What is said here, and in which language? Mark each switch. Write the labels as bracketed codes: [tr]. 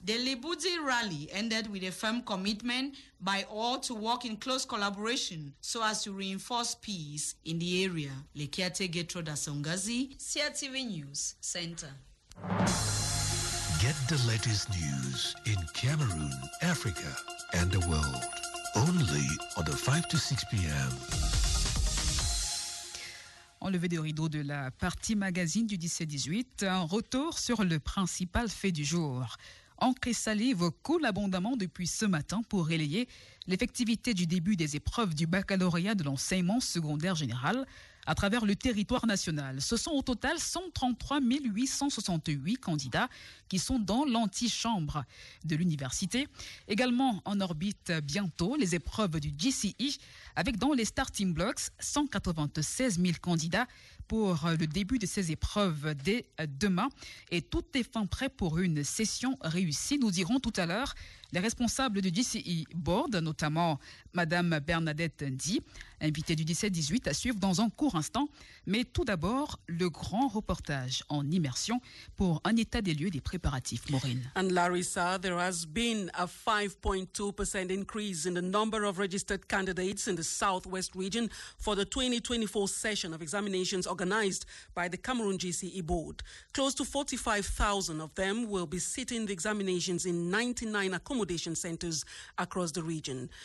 [en] The Lebudi rally ended with a firm commitment by all to work in close collaboration so as to reinforce peace in the area. Lekiate Gertrude Asongazi, CRTV News Center. Get the latest news in Cameroon, Africa, and the world only on the 5 to 6 p.m. [fr] Enlevé des rideaux de la partie magazine du 17-18, un retour sur le principal fait du jour. Encre et salive coulent abondamment depuis ce matin pour relayer l'effectivité du début des épreuves du baccalauréat de l'enseignement secondaire général à travers le territoire national. Ce sont au total 133 868 candidats qui sont dans l'antichambre de l'université. Également en orbite bientôt les épreuves du GCE avec dans les starting blocks 196 000 candidats pour le début de ces épreuves dès demain. Et tout est fin prêt pour une session réussie. Nous dirons tout à l'heure les responsables du GCE Board, notamment Mme Bernadette Ndi, invitée du 17-18, à suivre dans un court instant. Mais tout d'abord, le grand reportage en immersion pour un état des lieux des préparatifs. Maureen. [en] And Larissa, there has been a 5.2% increase in the number of registered candidates in the Southwest region for the 2024 session of examinations organized by the Cameroon GCE Board. Close to 45,000 of them will be sitting the examinations in 99 accommodation centers across the region.